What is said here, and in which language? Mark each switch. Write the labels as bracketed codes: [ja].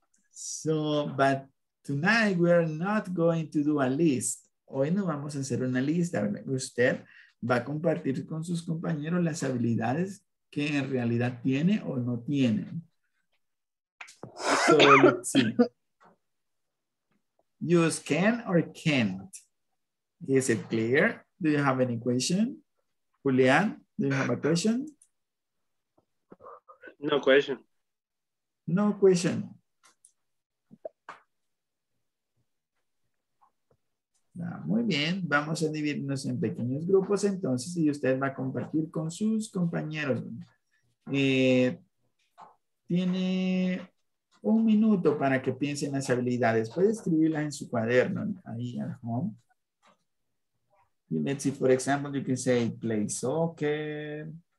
[en] So, but tonight we are not going to do a list. [es] Hoy no vamos a hacer una lista. Usted va a compartir con sus compañeros las habilidades que en realidad tiene o no tiene. [en] So, let's see. Use can or can't? Is it clear? Do you have any question? Julian, do you have a question? No question. No question. [es] Muy bien, vamos a dividirnos en pequeños grupos entonces y usted va a compartir con sus compañeros. Tiene un minuto para que piense en las habilidades. Puede escribirlas en su cuaderno, ahí [en] at home. Y let's see, for example, you can say play soccer.